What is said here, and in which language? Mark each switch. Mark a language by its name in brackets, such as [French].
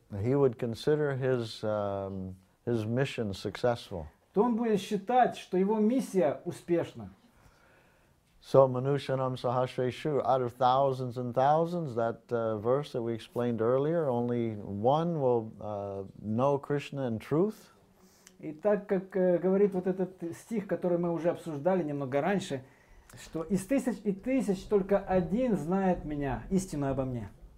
[English] he would consider his mission successful. [Russian] То он будет считать, что его миссия успешна. [English] So [Sanskrit] manushanam sahasreshu, [English] out of thousands and thousands, that verse that we explained earlier, only one will know Krishna in truth. [Russian] И так как говорит вот этот стих, который мы уже обсуждали немного раньше, что из тысяч и тысяч только один знает меня, истину обо мне.